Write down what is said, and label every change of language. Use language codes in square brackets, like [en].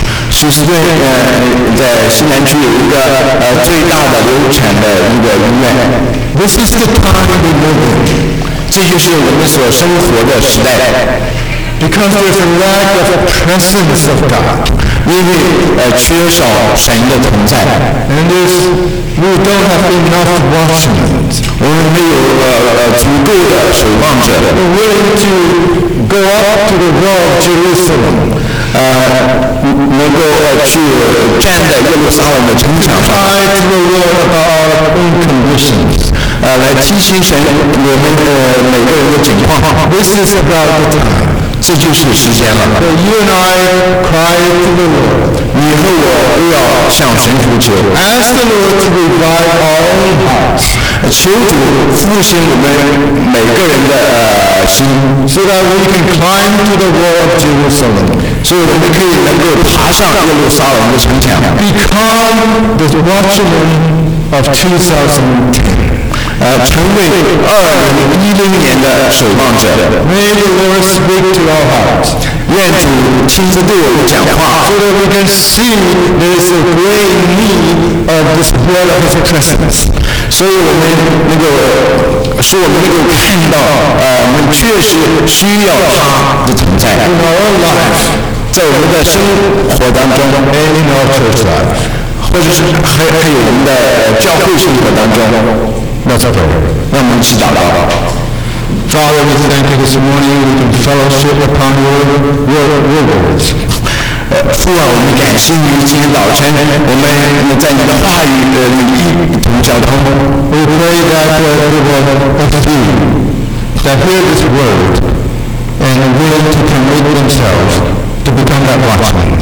[zh] 休斯顿在西南区有一个最大的流产的一个医院。 [en] This is the time we live in. [zh] 这就是我们所生活的时代。 [en] Because there's a lack of the presence of God. [zh] 因为缺少神的同在。 [en] And there's we don't have enough watchmen. [zh] 我们没有足够的守望者。 [en] We're willing to go up to the wall of Jerusalem， [zh] 能够去站在耶路撒冷的城墙上。 [en] Cry to the Lord about our own conditions， [zh] 来提醒神我们每个人的情况。 [en] This is about the time， [zh] 这就是时间了。 [en] So you and I cry to the Lord， [zh] 你和我都要向神呼求。 [en] Ask the Lord to revive our own hearts。 [zh] 求主复兴我们每个人的心 [en] so that we can climb to the wall of Jerusalem. [zh] 所以我们可以能够爬上耶路撒冷的城墙 [en] become the watchmen of 2010. [zh] 成为2010年的守望者 [en] May the Lord speak to our hearts. [zh] 愿主亲自对我们讲话 [en] so that we can see there is a great need of this world of Christmas. [zh] 所以我们那个使我们能够看到我们确实需要他的存在 [en] in our lives, [zh] 在我们的生活当中 [en] and in our church life, [zh] 或者是还有我们的教会生活当中 [en] That's okay. [zh] 让我们祈祷吧 [en] Father, we thank you this morning we can fellowship upon your words. [zh] 父啊，我们感谢你今天早晨，我们在你的话语的里头交通。 [en] We pray that everyone of you that hear this word and are willing to commit themselves to become that watchman.